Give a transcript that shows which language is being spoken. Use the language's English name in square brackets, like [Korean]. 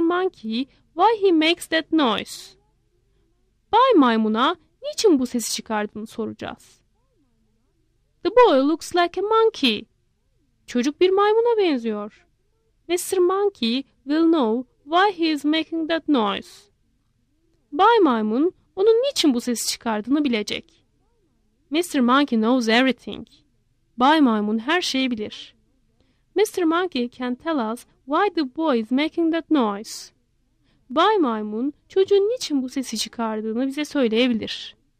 [English] Monkey why he makes that noise. [Turkish] Bay maymuna niçin bu sesi çıkardığını soracağız. [English] The boy looks like a monkey. [Turkish] Çocuk bir maymuna benziyor. [English] Mr. Monkey will know why he is making that noise. [Turkish] Bay maymun onun niçin bu sesi çıkardığını bilecek. [English] Mr. Monkey knows everything. [Turkish] Bay maymun her şeyi bilir. [English] Mr. Monkey can tell us why the boy is making that noise. [Turkish] Bay maymun çocuğun niçin bu sesi çıkardığını bize söyleyebilir.